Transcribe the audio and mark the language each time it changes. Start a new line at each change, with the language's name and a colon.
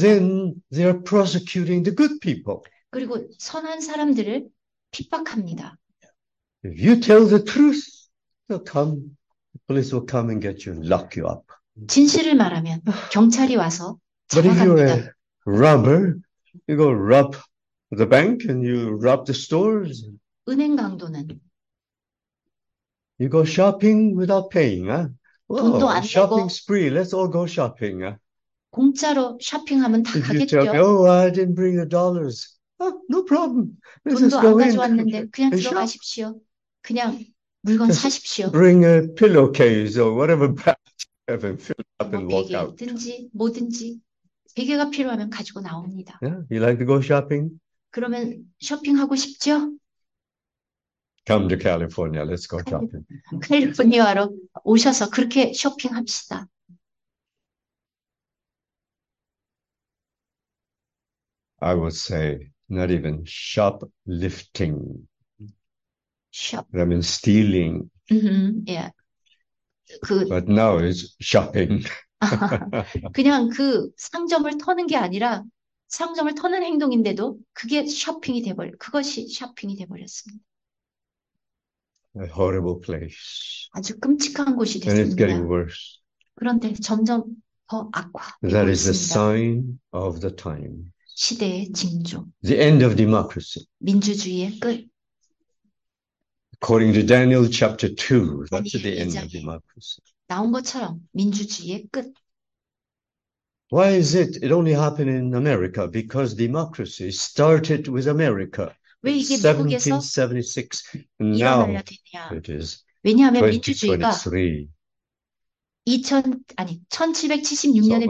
English: then they are prosecuting the good people.
Korean: 그리고 선한 사람들을 핍박합니다.
English: If you tell the truth, they'll come. The police will come and get you and lock you up.
Korean: 진실을 말하면 경찰이 와서
English: But if
Korean: 잡아갑니다.
English: you're a robber, you go rob the bank and you rob the stores.
Korean: 은행 강도는
English: You go shopping without paying,
Korean: 돈도
English: Oh,
Korean: 안 내고
English: shopping spree. Let's all go shopping,
Korean: 공짜로 쇼핑하면 다
English: If you tell me,
Korean: 가겠죠?
English: oh, I didn't bring the dollars. Oh, no problem. Let's
Korean: 돈도
English: just
Korean: 안
English: go in
Korean: 가져왔는데 그냥
English: and shop.
Korean: 들어가십시오. 그냥 물건
English: Just
Korean: 사십시오.
English: bring a pillowcase or whatever bag you have and fill it up
Korean: 뭐
English: and walk out.
Korean: 베개든지 뭐든지 베개가 필요하면 가지고 나옵니다.
English: Yeah, you like to go shopping?
Korean: 그러면 쇼핑하고 싶죠?
English: Come to California. Let's go shopping.
Korean: 캘리포니아로 오셔서 그렇게 쇼핑합시다.
English: I would say not even shoplifting. Shop. That means stealing. Yeah. But now it's shopping.
Korean: 그냥 그 상점을 터는 게 아니라 상점을 터는 행동인데도 그게 쇼핑이 돼버려. 그것이 쇼핑이 돼버렸습니다.
English: A horrible place.
Korean: 아주 끔찍한 곳이
English: And it's getting
Korean: 됐습니다.
English: worse.
Korean: 그런데 점점 더 악화되고
English: That is the
Korean: 있습니다.
English: sign of the time.
Korean: 시대의 징조.
English: The end of democracy.
Korean: 민주주의의 끝.
English: According to Daniel chapter 2, that's
Korean: 다니엘
English: the end of
Korean: 2장에
English: democracy.
Korean: 나온 것처럼 민주주의의 끝.
English: Why is it only happened in America? Because democracy started with America
Korean: 왜
English: in
Korean: 이게 미국에서
English: 1776, and
Korean: 일어나야
English: now
Korean: 되냐?
English: it is
Korean: 왜냐하면 민주주의가
English: 2023.
Korean: 1776년에
English: It's almost